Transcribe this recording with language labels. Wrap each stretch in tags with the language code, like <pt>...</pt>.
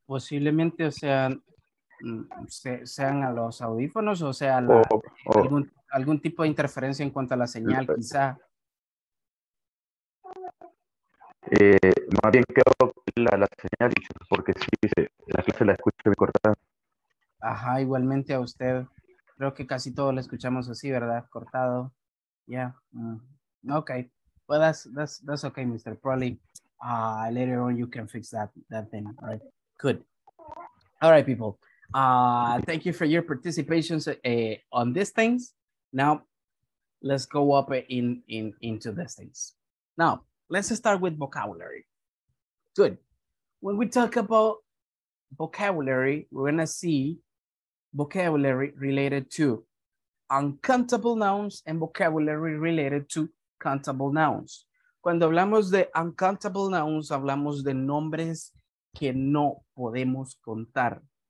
<es>Posiblemente sean a los audífonos o sea algún tipo de interferencia en cuanto a la señal, quizá. Más bien creo que la señal, porque sí, la clase la escucho muy cortada. Ajá, igualmente a usted. Creo que casi todos la escuchamos así, ¿verdad?</es> <en>Cortado. Okay. Well, that's okay, Mr. Probably later on you can fix that thing. All right. Good. All right, people. Thank you for your participation on these things. Now, let's go up into these things. Now, let's start with vocabulary. Good. When we talk about vocabulary, we're gonna see vocabulary related to uncountable nouns and vocabulary related to countable nouns.</en> <es>Cuando hablamos de uncountable nouns, hablamos de nombres que no podemos contar.</es>